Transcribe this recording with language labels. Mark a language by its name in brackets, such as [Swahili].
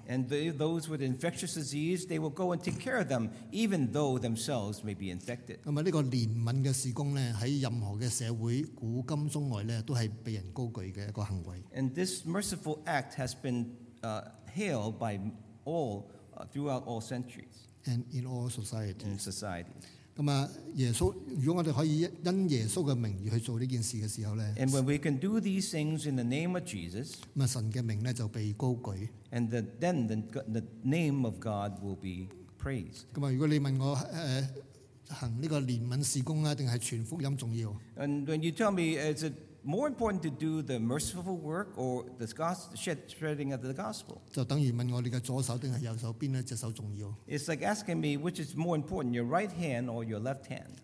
[English] And those with infectious disease, they will go and take care of them, even though themselves may be infected. [Chinese] 这个怜悯的事工呢，在任何的社会，古今中外呢，都是被人高举的一个行为。 [English] And this merciful act has been hailed by all. Throughout all centuries and in all societies. In society. [Chinese] 耶稣, 如果我们可以因耶稣的名义去做这件事的时候呢, [English] and when we can do these things in the name of Jesus, [Chinese] 神的名呢, 就被高举, [English] and then the name of God will be praised. [Chinese] 如果你问我, 行这个怜悯事工啊, 还是传福音重要? [English] And when you tell me, is it more important to do the merciful work or the spreading of the gospel? It's like asking me which is more important, your right hand or your left hand.